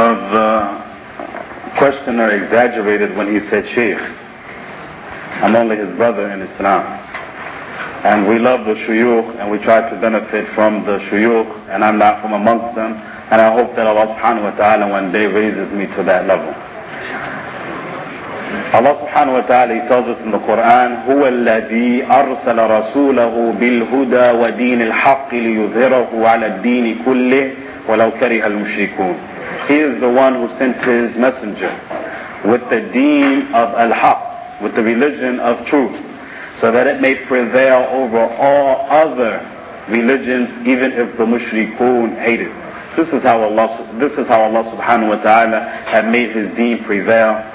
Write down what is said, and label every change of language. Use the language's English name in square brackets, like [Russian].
[English] The questioner exaggerated when he said Sheikh. I'm only his brother in Islam. And we love the shuyukh and we try to benefit from the shuyukh, and I'm not from amongst them, and I hope that Allah subhanahu wa ta'ala one day raises me to that level. Allah subhanahu wa ta'ala, he tells us in the Quran, [Arabic] هو الذي أرسل رسوله بالهدى ودين الحق ليظهره على الدين كله ولو كره المشركون. [English] He is the one who sent his messenger with the deen of al-haq, with the religion of truth, so that it may prevail over all other religions, even if the mushrikun hate it. This is how Allah subhanahu wa ta'ala had made his deen prevail.